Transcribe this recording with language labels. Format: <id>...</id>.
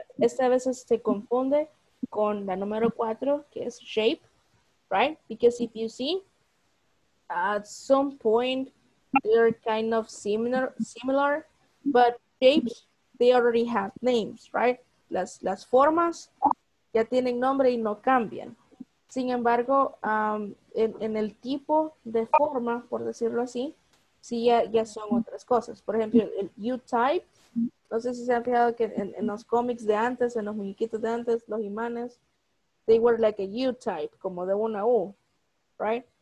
<es>Esta vez se confunde con la número cuatro, que es shape, right?</es> <en>Because if you see, at some point, they're kind of similar, but shapes, they already have names, right?</en> <es>Las formas ya tienen nombre y no cambian. Sin embargo, en el tipo de forma, por decirlo así, sí ya son otras cosas. Por ejemplo, el U-type, no sé si se han fijado que en los cómics de antes, en los muñequitos de antes, los imanes,</es> <en>they were like a U-type,</en> <es>como de una U, right?</es>